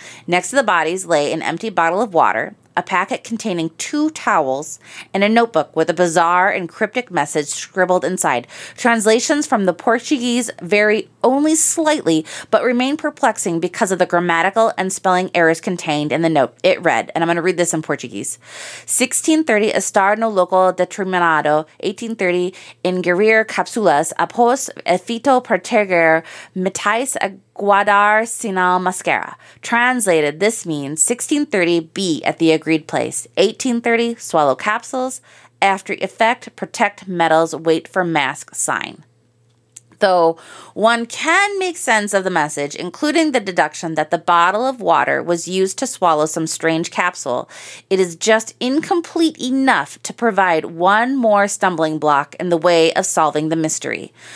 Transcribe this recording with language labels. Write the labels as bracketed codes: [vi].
[en] Next to the bodies lay an empty bottle of water, a packet containing 2 towels, and a notebook with a bizarre and cryptic message scribbled inside. Translations from the Portuguese vary only slightly, but remain perplexing because of the grammatical and spelling errors contained in the note. It read, and I'm going to read this in Portuguese. [pt] 1630, estar no local determinado, 1830, ingerir capsulas, após efeito proteger, metais a guardar sinal mascara. [en] Translated, this means 1630, be at the agreed place. 1830, swallow capsules. After effect, protect metals, wait for mask sign. Though one can make sense of the message, including the deduction that the bottle of water was used to swallow some strange capsule, it is just incomplete enough to provide one more stumbling block in the way of solving the mystery.